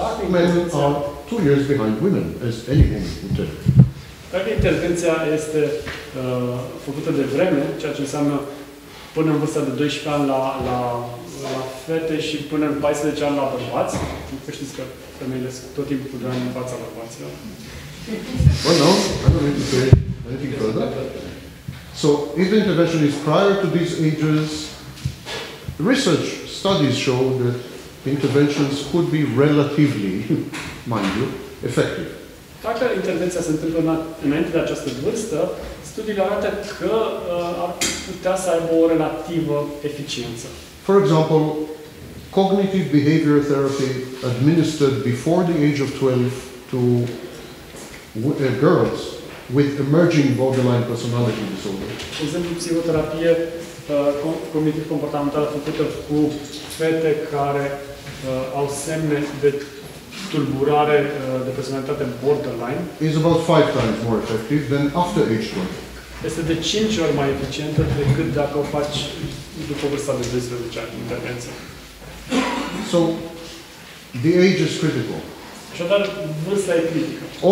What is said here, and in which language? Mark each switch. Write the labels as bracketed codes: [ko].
[en] Men are 2 years behind women, as any woman would tell. [ro] Dacă intervenția este făcută de vreme, ceea ce înseamnă până în vârsta de 12 ani la fete și până în 14 ani la bărbați, că știți că femeile sunt tot timpul cu 2 ani în fața bărbaților. [en] Well, no, I don't need to say anything further. So, if the intervention is prior to these ages, research studies show that interventions could be relatively, mind you, effective. [ro] Dacă intervenția se întâmplă înainte de această vârstă, studiile arată că ar putea să aibă o relativă eficiență. [en] For example, cognitive behavior therapy administered before the age of 12 to girls with emerging borderline personality disorder. [ro] De exemplu, psihoterapie cognitiv-comportamentală făcută cu fete care au semne de tulburare de personalitate borderline [en] is about 5 times more effective than after age 12. [ro] Este de 5 ori mai eficientă decât dacă o faci după vârsta de 12 ani intervenție. [en] So the age is critical. [ro] Așadar, vârsta e critică.